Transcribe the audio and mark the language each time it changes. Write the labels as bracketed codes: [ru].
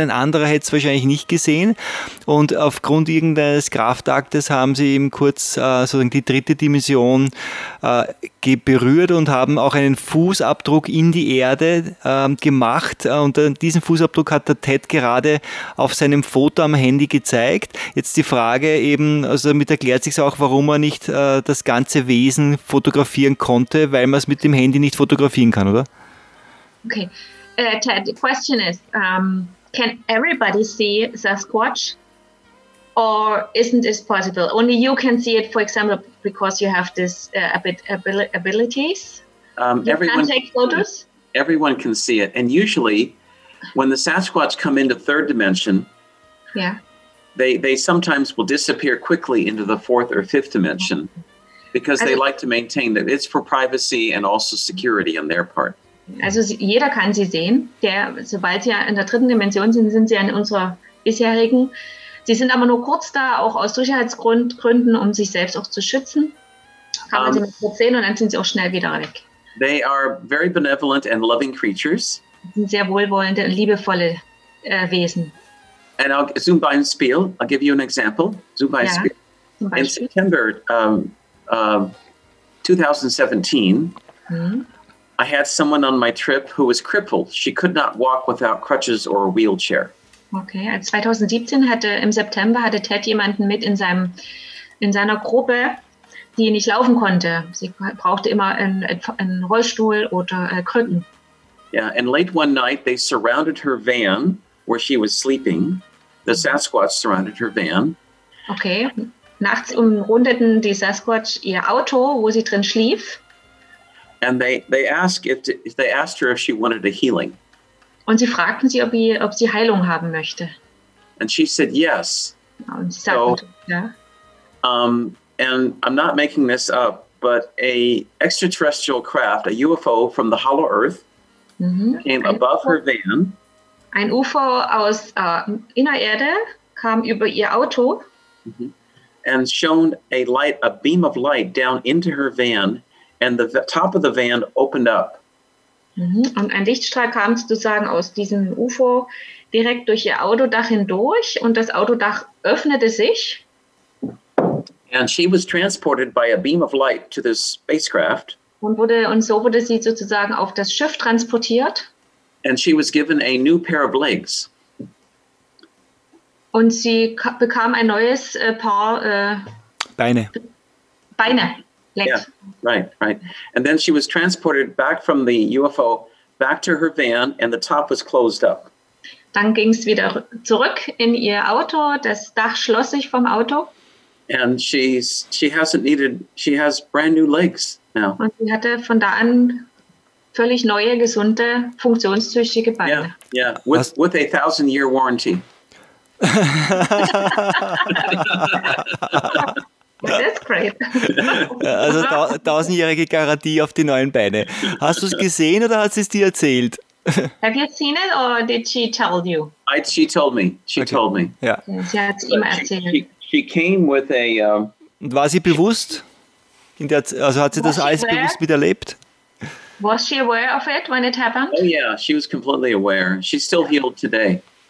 [de] Ein anderer hätte es wahrscheinlich nicht gesehen. Und aufgrund irgendeines Kraftaktes haben sie eben kurz sozusagen die dritte Dimension berührt und haben auch einen Fußabdruck in die Erde gemacht. Und diesen Fußabdruck hat der Ted gerade auf seinem Foto am Handy gezeigt. Jetzt die Frage eben, also damit erklärt sich auch, warum er nicht das ganze Wesen fotografieren konnte, weil man es mit dem Handy nicht fotografieren kann, oder? Okay. [en] Ted, the question is, can everybody see Sasquatch? Or isn't this possible? Only you can see it, for example, because you have this abilities? Everyone can take photos? Everyone can see it. And usually, when the Sasquatch come into third dimension, they sometimes will disappear quickly into the fourth or fifth dimension because they like to maintain that it's for privacy and also security on their part. [de] Also jeder kann sie sehen. Sobald sie in der dritten Dimension sind, sind sie in unserer bisherigen. Sie sind aber nur kurz da, auch aus Sicherheitsgründen, um sich selbst auch zu schützen. Kann man sie mal kurz sehen und dann sind sie auch schnell wieder weg. [en] They are very benevolent and loving creatures. [de] Sind sehr wohlwollende, liebevolle Wesen. [en] And [de] zum Beispiel, [en] I'll give you an example. [de] Zum Beispiel. Zum Beispiel. [en] In September 2017, I had someone on my trip who was crippled. She could not walk without crutches or a wheelchair. [de] Okay, 2017 hatte im September hatte Ted jemanden mit in seinem in seiner Gruppe, die nicht laufen konnte. Sie brauchte immer einen Rollstuhl oder Krücken. [en] Yeah, and late one night they surrounded her van where she was sleeping. The Sasquatch surrounded her van. [de] Okay, nachts umrundeten die Sasquatch ihr Auto, wo sie drin schlief. [en] And they asked her if she wanted a healing. [de] Und sie fragten sie, ob sie Heilung haben möchte. [en] And she said yes. [de] Und sie sagte, ja. [en] And I'm not making this up, but a extraterrestrial craft, a UFO from the hollow earth, mm-hmm. came above her van. [de] Ein UFO aus Innererde kam über ihr Auto. Mm-hmm. [en] And shone a beam of light down into her van, and the top of the van opened up. Mm-hmm. [de] Und ein Lichtstrahl kam sozusagen aus diesem UFO direkt durch ihr Autodach hindurch, und das Autodach öffnete sich. [en] And she was transported by a beam of light to this spacecraft. [de] Und so wurde sie sozusagen auf das Schiff transportiert. [en] And she was given a new pair of legs. [de] Und sie bekam ein neues Paar Beine. Beine. [en] Legs. Yeah, right. And then she was transported back from the UFO back to her van, and the top was closed up. [de] Dann ging es wieder zurück in ihr Auto. Das Dach schloss sich vom Auto. [en] And she has brand new legs now. [de] Und sie hatte von da an völlig neue, gesunde, funktionstüchtige Beine. [en] Yeah, with a 1,000-year warranty. That's great. [de] Also 1,000-jährige Garantie auf die neuen Beine. Hast du es gesehen oder hat sie es dir erzählt? [en] Have you seen it or did she tell you? She told me. She okay. told me. Yeah. [de] Sie hat es ihm erzählt. [en] She came with a. [de] War sie bewusst? Also hat sie das alles bewusst miterlebt? [en] Was she aware of it when it happened? Oh yeah, she was completely aware. She's still healed today.